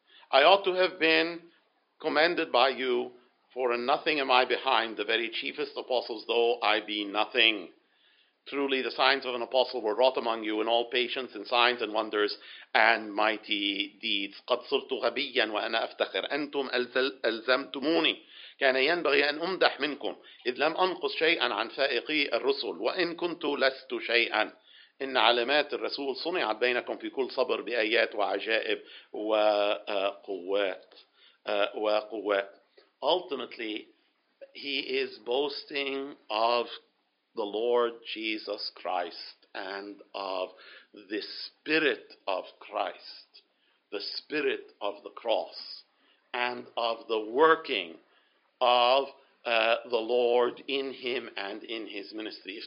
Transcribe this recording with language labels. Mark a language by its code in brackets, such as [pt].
[en] I ought to have been commended by you, for in nothing am I behind the very chiefest apostles, though I be nothing. Truly, the signs of an apostle were wrought among you in all patience and signs and wonders and mighty deeds. [ar] قد صرت غبيا وأنا أفتخر. أنتم ألزمتموني. كان ينبغي أن أمدح منكم إذ لم أنقص شيئا عن فائقي الرسل وإن كنت لست شيئا إن علامات الرسول صنعت بينكم في كل صبر بآيات وعجائب وقوات وقوات. [en] Ultimately, he is boasting of the Lord Jesus Christ and of the Spirit of Christ, the Spirit of the cross, and of the working of the Lord in him and in his ministry.